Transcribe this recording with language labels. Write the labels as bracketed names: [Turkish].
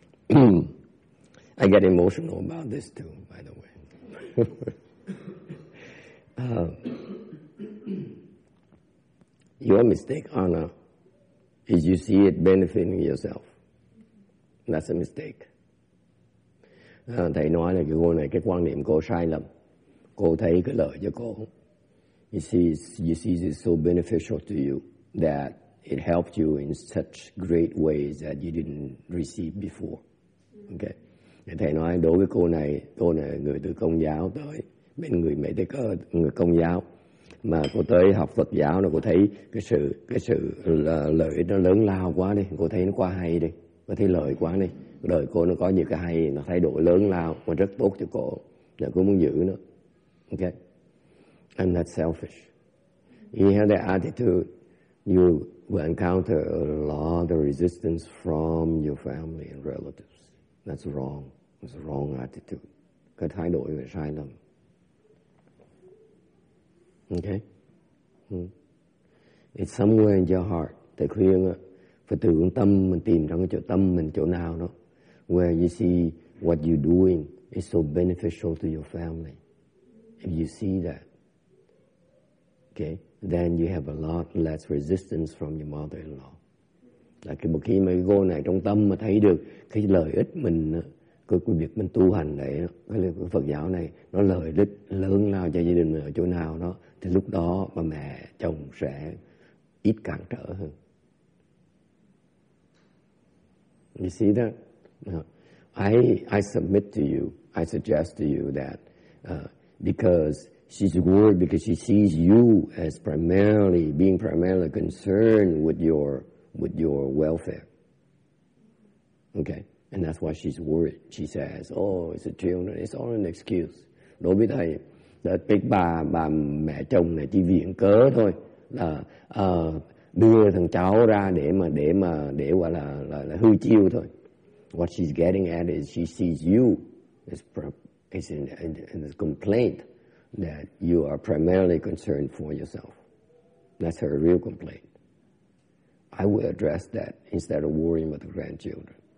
[English] I get emotional about this too, by the way. Your mistake, Anna, is you see it benefiting yourself. That's a mistake. [Vietnamese] Thầy nói là cái cô này, cái quan niệm cô sai lầm. Cô thấy cái lợi cho cô. [English] You see it's so beneficial to you that it helped you in such great ways that you didn't receive before. Okay. [Vietnamese] Thầy nói đối với cô này là người từ Công giáo tới bên người Mỹ Tây Cơ, người Công giáo. Mà cô tới học Phật giáo là cô thấy cái sự lợi nó lớn lao quá đi, cô thấy nó quá hay đi, cô thấy lợi quá đi, đời cô nó có nhiều cái hay, nó thay đổi lớn lao và rất tốt cho cô, là cô muốn giữ nó. [English] Okay, and that's selfish. You have that attitude, you will encounter a lot of resistance from your family and relatives. That's wrong. It's a wrong attitude. [Vietnamese] Cái thái độ là sai lầm. [English] Okay. It's somewhere in your heart. [Vietnamese] Tại khuyên á, phải từ tâm mình tìm trong cái chỗ tâm mình chỗ nào đó. [English] Where you see what you're doing is so beneficial to your family. If you see that, okay, then you have a lot less resistance from your mother-in-law. [Vietnamese] Là cái một khi mà cái cô này trong tâm mà thấy được cái lợi ích mình, cái việc mình tu hành này, cái Phật giáo này, nó lợi ích lớn nào cho gia đình mình ở chỗ nào đó, thì lúc đó bà mẹ chồng sẽ ít cản trở hơn. [English] You see that? I submit to you, I suggest to you that because she's worried, because she sees you as primarily concerned with your welfare. Okay? And that's why she's worried. She says, oh, it's a children, it's all an excuse. [Vietnamese] Đối với thầy, cái bà mẹ chồng này chỉ viện cớ thôi, là đưa thằng cháu ra để gọi là hư chiêu thôi. [English] What she's getting at is she sees you as in a complaint that you are primarily concerned for yourself. That's her real complaint. I will address that instead of worrying about the grandchildren.